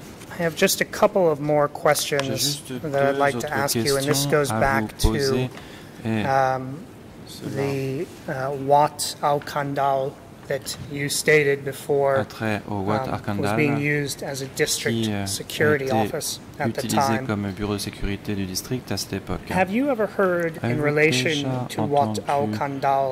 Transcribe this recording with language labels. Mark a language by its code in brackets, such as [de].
[en] I have just a couple of more questions that I'd like to ask you, and this goes back to the Wat Al Kandal that you stated before was being used as a district security office at the time. [fr] Comme bureau de sécurité du district à cette époque. [en] Have you ever heard in relation to Wat Al Kandal